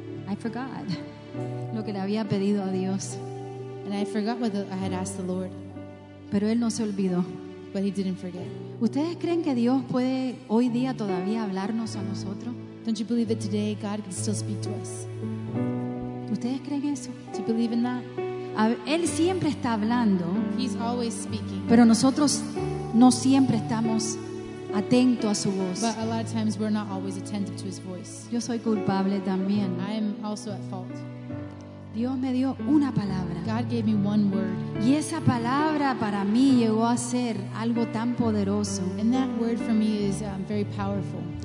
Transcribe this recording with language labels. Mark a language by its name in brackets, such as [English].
[English] I forgot [Spanish] lo que le había pedido a Dios. [English] And I forgot what I had asked the Lord. [Spanish] Pero él no se olvidó. [English] But he didn't forget. [Spanish] ¿Ustedes creen que Dios puede hoy día todavía hablarnos a nosotros? [English] Don't you believe that today God can still speak to us? [Spanish] ¿Ustedes creen eso? [English] Do you believe in that? [Spanish] Él siempre está hablando. [English] He's always speaking. [Spanish] Pero nosotros no siempre estamos atentos a su voz. [English] But a lot of times we're not always attentive to his voice. [Spanish] Yo soy culpable también. [English] I am also at fault. [Spanish] Dios me dio una palabra. [English] God gave me one word. [Spanish] Y esa palabra para mí llegó a ser algo tan poderoso. [English] And that word for me is very powerful.